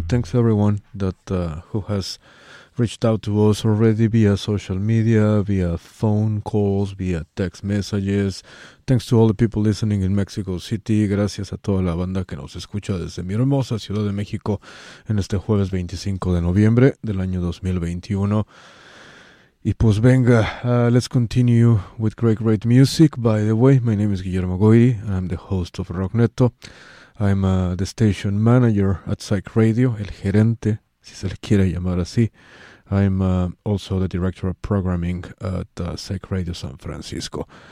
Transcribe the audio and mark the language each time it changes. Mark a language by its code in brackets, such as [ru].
[en] Thanks everyone that who has reached out to us already via social media, via phone calls, via text messages. Thanks to all the people listening in Mexico City. [es] Gracias a toda la banda que nos escucha desde mi hermosa Ciudad de México en este jueves 25 de noviembre del año 2021. [en] Y pues venga, let's continue with great music. By the way, my name is Guillermo Goyri. I'm the host of Rockneto. I'm the station manager at Psyched Radio, el gerente, si se le quiere llamar así. I'm also the director of programming at Psyched Radio San Francisco.